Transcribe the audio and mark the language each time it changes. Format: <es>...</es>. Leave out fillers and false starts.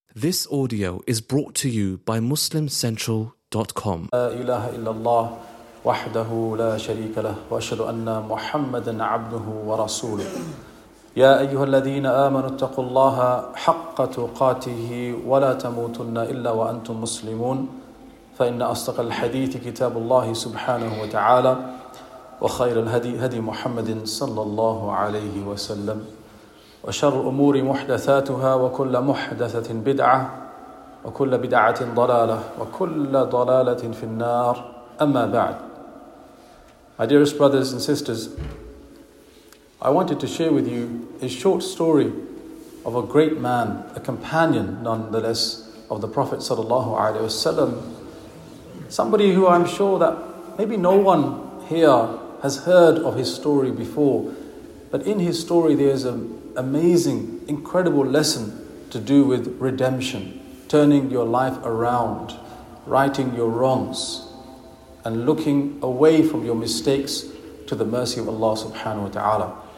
<en>This audio is brought to you by MuslimCentral.com.</en> <ar>لا إله إلا الله وحده لا شريك له وأشهد أن محمدًا عبده ورسوله. يا أيها الذين آمنوا اتقوا الله حق تقاته ولا تموتن إلا وأنتم مسلمون. فإن أصدق الحديث كتاب الله سبحانه وتعالى وخير الهدي هدي محمد صلى الله عليه وسلم. وشر الأمور محدثاتها وكل محدثة بدعة وكل بدعة ضلالة وكل ضلالة في النار أما بعد.</ar> <en>My dearest brothers and sisters, I wanted to share with you a short story of a great man, a companion nonetheless of the Prophet sallallahu alaihi wasallam. Somebody who I'm sure that maybe no one here has heard of his story before, but in his story there's a amazing, incredible lesson to do with redemption, turning your life around, righting your wrongs, and looking away from your mistakes to the mercy of Allah subhanahu wa ta'ala.</en>